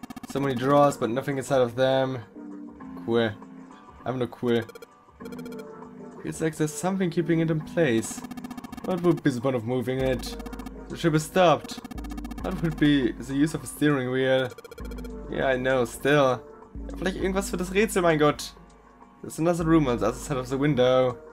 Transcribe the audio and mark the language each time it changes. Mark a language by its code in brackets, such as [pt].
[en] So many drawers, but nothing inside of them. Cool. I'm not cool. It's like there's something keeping it in place. What would be the point of moving it? The ship is stopped. What would be the use of a steering wheel? Yeah, I know, still. [de] Ja, vielleicht irgendwas für das Rätsel, mein Gott. [en] There's another room on the other side of the window.